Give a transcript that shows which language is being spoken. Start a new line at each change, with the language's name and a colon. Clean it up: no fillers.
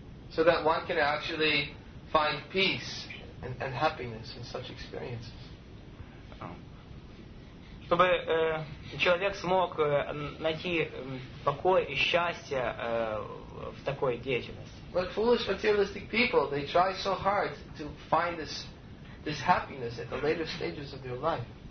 English: So that one can actually find peace and happiness in such experiences.
Russian: Чтобы человек смог найти покой и счастье в такой деятельности.
English: But foolish materialistic people, they try so hard to find this happiness at the later stages of their life.